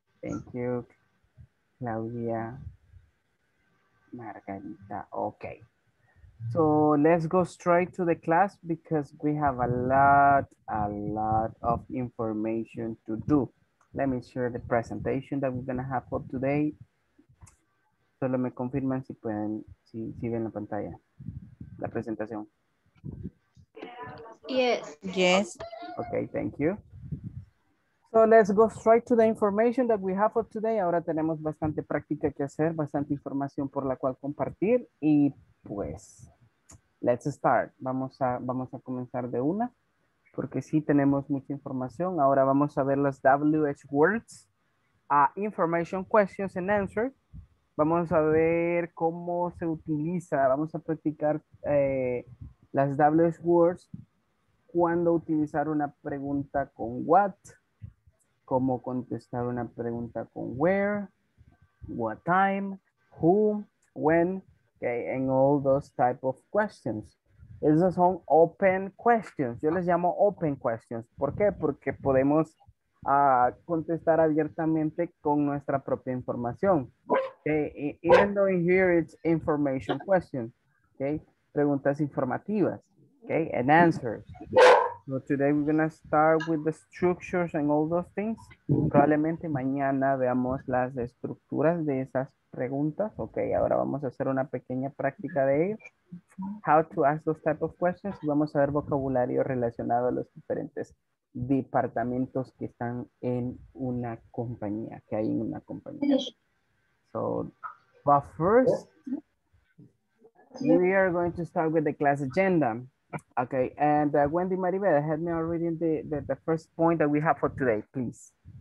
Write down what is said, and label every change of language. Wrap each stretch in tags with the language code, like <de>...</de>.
<en>Thank you, Claudia, Margarita, okay. So let's go straight to the class because we have a lot of information to do. Let me share the presentation that we're gonna have for today.</en> <es>Solo me confirman si pueden, si ven la pantalla, la presentación.</es> <en>Yes. Yes. Okay, thank you. So let's go straight to the information that we have for today.</en> <es>Ahora tenemos bastante práctica que hacer, bastante información por la cual compartir. Y pues, let's start. Vamos a comenzar de una, porque sí tenemos mucha información. Ahora vamos a ver las WH words, information, questions and answers. Vamos a ver cómo se utiliza. Vamos a practicar las WH words, cuándo utilizar una pregunta con what, cómo contestar una pregunta con where, what time, who, when, okay, and all those type of questions. Esas son open questions. Yo les llamo open questions. ¿Por qué? Porque podemos contestar abiertamente con nuestra propia información.</es> <en>Okay, even though here it's information questions, okay, preguntas informativas, okay, and answers. So today we're going to start with the structures and all those things.</en> <es>Probablemente mañana veamos las estructuras de esas preguntas. Okay, ahora vamos a hacer una pequeña práctica de ello. how to ask those type of questions. Vamos a ver vocabulario relacionado a los diferentes departamentos que están en una compañía, que hay en una compañía.</es> <en>So, but first, we are going to start with the class agenda. Okay, and Wendy Maribel, help me already in the first point that we have for today, please.</en>